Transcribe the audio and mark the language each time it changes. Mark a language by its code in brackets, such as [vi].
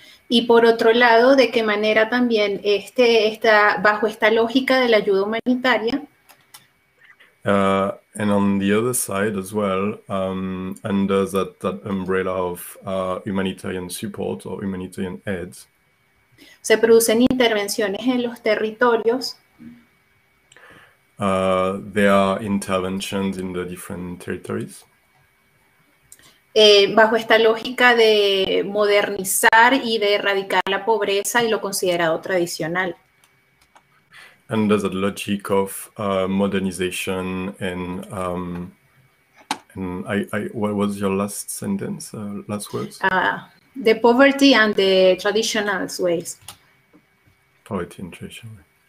[es] Y por otro lado, de qué manera también está bajo esta lógica de la ayuda humanitaria. [en] And on the other side as well, under that umbrella of humanitarian support or humanitarian aid. [es] Se producen intervenciones en los territorios. [en] There are interventions in the different territories. [es] Bajo esta lógica de modernizar y de erradicar la pobreza y lo considerado tradicional. [en] Under the logic of modernization and I what was your last sentence, last words? The poverty and the traditional ways. Poverty and traditional ways.